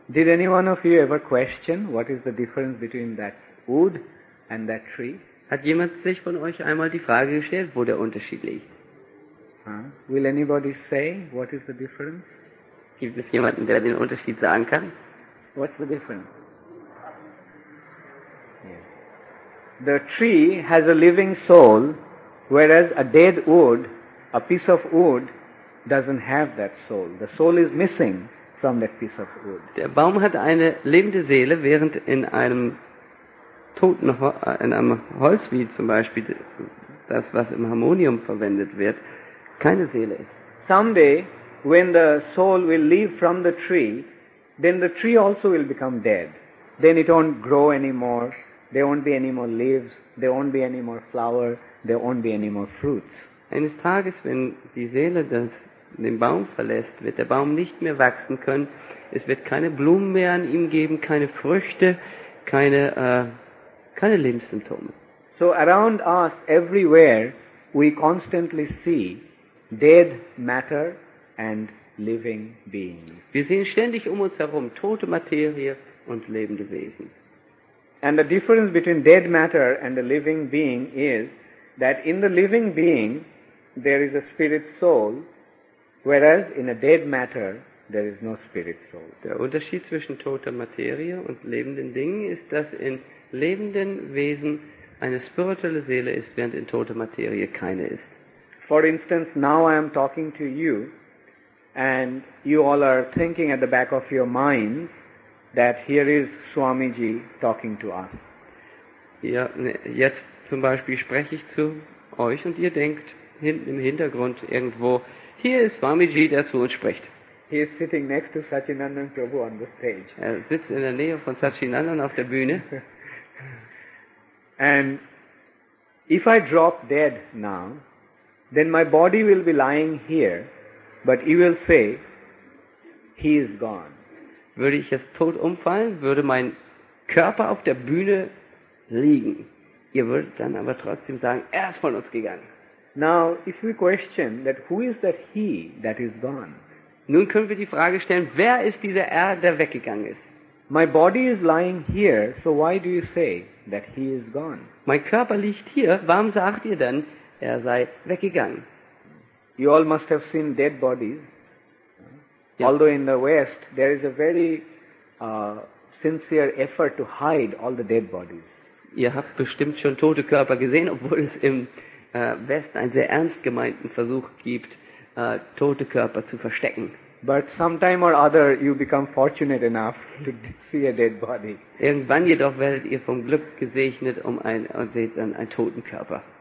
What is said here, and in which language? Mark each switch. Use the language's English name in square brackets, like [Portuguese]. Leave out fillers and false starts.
[English] Did any one of you ever question what is the difference between that wood and that tree? [German] Hat jemand sich von euch einmal die Frage gestellt, wo der Unterschied liegt? [English] Will anybody say what is the difference? [German] Gibt es jemanden, der den Unterschied sagen kann? [English] What's the difference? Yeah. the tree has a living soul, whereas a dead wood, a piece of wood, doesn't have that soul. The soul is missing from that piece of wood. [German] Der Baum hat eine lebende Seele, während in einem toten in einem Holz, wie zum Beispiel das, was im Harmonium verwendet wird, keine Seele ist. [English] Someday, when the soul will leave from the tree, then the tree also will become dead. Then it won't grow anymore. There won't be any more leaves. There won't be any more flower. There won't be any more fruits. [German] Eines Tages, wenn die Seele das den Baum verlässt, wird der Baum nicht mehr wachsen können. Es wird keine Blumen mehr an ihm geben, keine Früchte, keine Lebenssymptome. [English] So around us, everywhere, we constantly see dead matter and living beings. [German] Wir sehen ständig um uns herum tote Materie und lebende Wesen. [English] And the difference between dead matter and a living being is that in the living being there is a spirit soul, whereas in a dead matter there is no spirit soul. [German] Der Unterschied zwischen toter Materie und lebenden Dingen ist, dass in lebenden Wesen eine spirituelle Seele ist, während in toter Materie keine ist. [English] For instance, now I am talking to you, and you all are thinking at the back of your minds that here is Swamiji talking to us. [German] Ja, jetzt zum Beispiel spreche ich zu euch und ihr denkt hinten im Hintergrund irgendwo, hier ist Swamiji, der zu uns spricht. [English] He is sitting next to Satchinandan Prabhu on the stage. [German] Er sitzt in der Nähe von Satchinandan auf der Bühne. [English] And if I drop dead now, then my body will be lying here, but you will say, he is gone. [German] Würde ich jetzt tot umfallen, würde mein Körper auf der Bühne liegen. Ihr würdet dann aber trotzdem sagen, ist von uns gegangen. [English] Now, if we question that who is that he that is gone? [German] Nun können wir die Frage stellen, wer ist dieser der weggegangen ist? [English] My body is lying here, so why do you say that he is gone? [German] Mein Körper liegt hier, warum sagt ihr dann, sei weggegangen? [English] You all must have seen dead bodies. Yep. Although in the West, there is a very sincere effort to hide all the dead bodies. [German] Ihr habt bestimmt schon tote Körper gesehen, obwohl es im Westen einen sehr ernst gemeinten Versuch gibt, tote Körper zu verstecken. [English] But sometime or other, you become fortunate enough to see a dead body. [German] Irgendwann jedoch werdet ihr vom Glück gesegnet und seht dann einen toten Körper.